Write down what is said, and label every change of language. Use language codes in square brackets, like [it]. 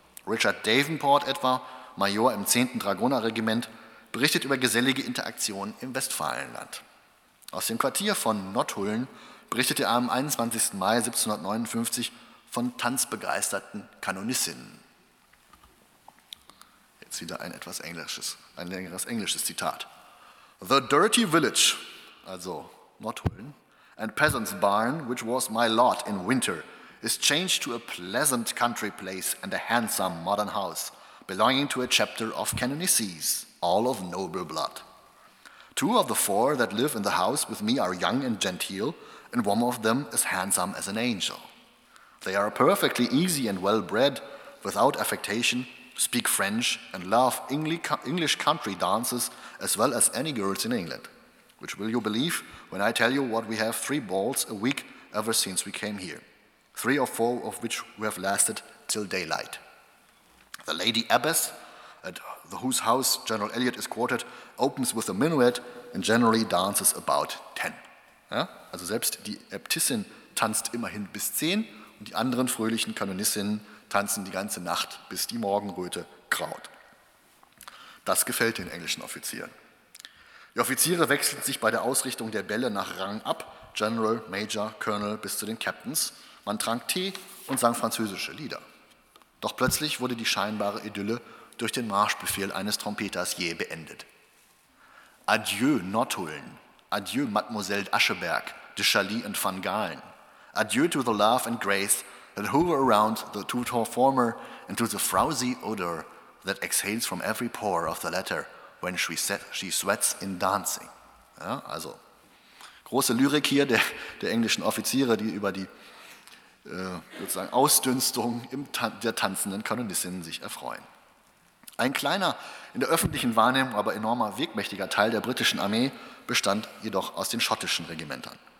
[de] Richard Davenport etwa, Major im 10. Dragonerregiment, berichtet über gesellige Interaktionen im Westfalenland. Aus dem Quartier von Nothullen berichtet er am 21. Mai 1759 von tanzbegeisterten Kanonissinnen. Jetzt wieder ein etwas englisches, ein längeres englisches Zitat. [en] The dirty village, also Nothullen, and peasant's barn, which was my lot in winter, is changed to a pleasant country place and a handsome modern house, belonging to a chapter of canonesses, all of noble blood. Two of the four that live in the house with me are young and genteel, and one of them is handsome as an angel. They are perfectly easy and well-bred, without affectation, speak French, and love English country dances as well as any girls in England. Which will you believe when I tell you what we have 3 balls a week ever since we came here, 3 or 4 of which we have lasted till daylight. The Lady Abbess, at whose house General Elliot is quartered, opens with a minuet and generally dances about 10. [de] Ja? Also selbst die Äbtissin tanzt immerhin bis 10 und die anderen fröhlichen Kanonissinnen tanzen die ganze Nacht, bis die Morgenröte graut. Das gefällt den englischen Offizieren. Die Offiziere wechseln sich bei der Ausrichtung der Bälle nach Rang ab, General, Major, Colonel bis zu den Captains. Man trank Tee und sang französische Lieder. Doch plötzlich wurde die scheinbare Idylle durch den Marschbefehl eines Trompeters jäh beendet. Adieu, Nothullen. Adieu, Mademoiselle Ascheberg, de Chalis und Van Galen. [en] Adieu to the love and grace that hover around the two tall former and to the frowsy odor that exhales from every pore of the latter when she sweats in dancing. [de] Ja, also, große Lyrik hier der englischen Offiziere, die über die sozusagen Ausdünstung der tanzenden Kanonissinnen sich erfreuen. Ein kleiner, in der öffentlichen Wahrnehmung aber enormer, wirkmächtiger Teil der britischen Armee bestand jedoch aus den schottischen Regimentern.